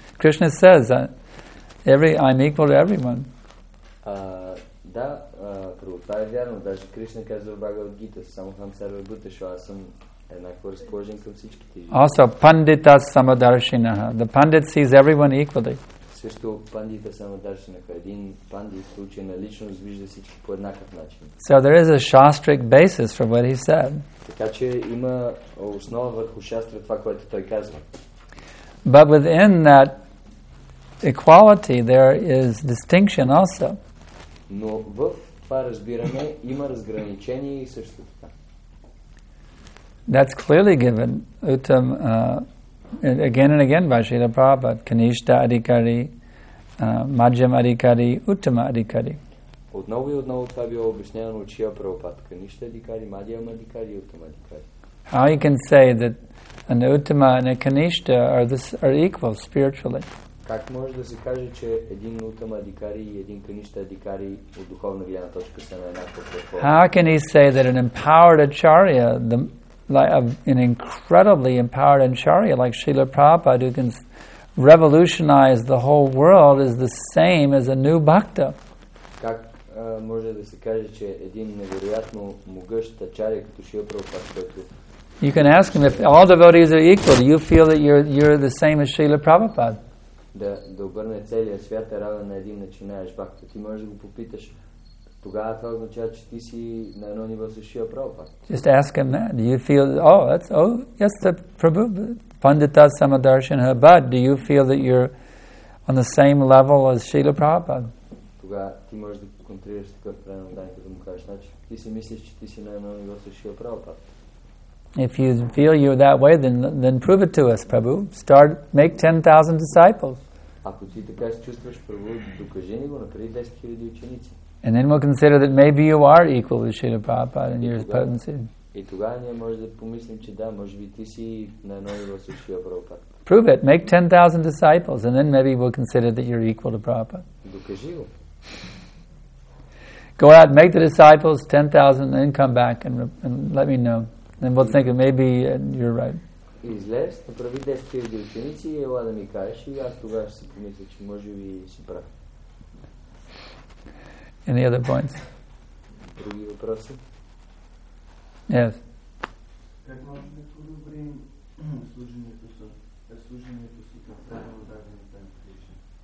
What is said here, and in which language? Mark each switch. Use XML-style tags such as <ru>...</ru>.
<en>Krishna says, I'm equal to everyone.</en> <bg>Да, първо, това е вярно. Даже Кришна казва в Бхагавад Гита,</bg> <sa>само хам сарва буташо,</sa> <bg>аз съм еднакво разположен към всичките.</bg> <en>Also,</en> <sa>пандита самадаршинаха.</sa> <en>The pandit sees everyone equally.</en> <bg>Също</bg> <sa>пандита самадаршинаха.</sa> <bg>Един пандит, учена личност, вижда всички по еднакъв начин.</bg> <en>So there is a shastric basis for what he said.</en> <bg>Така че има основа върху шастра това, което той казва.</bg> <en>But within that equality, there is distinction also.</en> <bg>Но в това разбиране има разграничение и също така.</bg> <en>That's clearly given uttam again and again by Srila Prabhupada, Kanishta Adhikari, Madhyam Adhikari, Uttama Adhikari.</en> <bg>Отново и отново това било обяснено от Шрила Прабхупада.</bg> <en>Kanishta Adhikari, Madhyam Adhikari, Uttama Adhikari. How you can say that an Uttama and a Kanishta are equal spiritually?</en> <bg>Как може да се каже, че един утама адикари и един каништа адикари от духовна гледна точка са на еднаква платформа?</bg> <en>How can he say that an empowered acharya, an incredibly empowered acharya like Srila Prabhupada, who can revolutionize the whole world, is the same as a new bhakta?</en> <bg>Как може да се каже, че един невероятно могъщ ачарья като Шрила Прабхупада, който...</bg> <en>You can ask him, if all devotees are equal, do you feel that you're the same as Srila Prabhupada?</en> <bg>Да обърне целия свят е равен на един начинаеш бхакта. Ти можеш да го попиташ. Тогава това означава, че ти си на едно ниво със Шрила Прабхупада.</bg> <en>Just ask him that. Do you feel, yes, the Prabhu,</en> <sa>Pandita Samadarshana,</sa> <en>but do you feel that you're on the same level as Srila Prabhupada?</en> <bg>Тогава ти можеш да контрираш такъв правилно дай, като му кажеш, значи ти си мислиш, че ти си на едно ниво със Шрила Прабхупада.</bg> <en>If you feel you're that way, then prove it to us, Prabhu. Start, make 10,000 disciples.</en> <bg>Ако ти така се чувстваш, Прабу, докажи ни го, направи 10,000 ученици.</bg> <en>And then we'll consider that maybe you are equal to Srila Prabhupada in your potency.</en> <bg>И тогава ние може да помислим, че да, може би ти си на едно ниво с Шрила Прабхупада.</bg> <en>Prove it, make 10,000 disciples, and then maybe we'll consider that you're equal to Prabhupada.</en> <bg>Докажи го.</bg> <en>Go out, make the disciples 10,000, and then come back and let me know. Then we'll think that maybe you're right.</en> <bg>Излез, направи 10,000 ученици и ела да ми кажеш и аз тогава ще си помисля, че може би си прав.</bg> <en>Any other points?</en> <bg>Други въпроси?</bg> <en>Yes.</en> <bg>Как може да подобрим служението си към правило дадено от Кришна?</bg>